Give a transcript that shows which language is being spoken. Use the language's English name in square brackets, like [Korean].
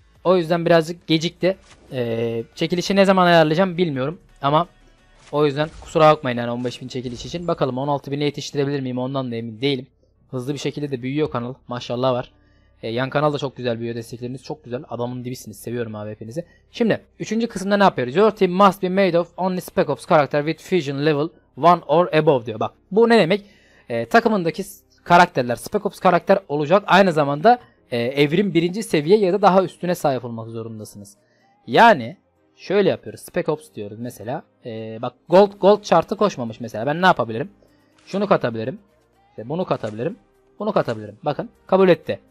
[Turkish] O yüzden birazcık gecikti. Çekilişi ne zaman ayarlayacağım bilmiyorum. Ama o yüzden kusura bakmayın yani 15.000 çekiliş için. Bakalım 16.000'e yetiştirebilir miyim, ondan da emin değilim. Hızlı bir şekilde de büyüyor kanal. Maşallah var. Yan kanal da çok güzel büyüyor. Destekleriniz çok güzel. Adamın dibisiniz. Seviyorum abi hepinizi. Şimdi 3. kısımda ne yapıyoruz? [English] Your team must be made of only Spec Ops character with fusion level 1 or above [Turkish] diyor. Bak bu ne demek? Takımındaki karakterler Spec Ops karakter olacak. Aynı zamanda evrim 1. seviye ya da daha üstüne sahip olmak zorundasınız. Yani şöyle yapıyoruz. Spec Ops diyoruz mesela. Bak gold chart'ı koşmamış mesela. Ben ne yapabilirim? Şunu katabilirim. Bunu katabilirim. Bunu katabilirim. Bakın kabul etti.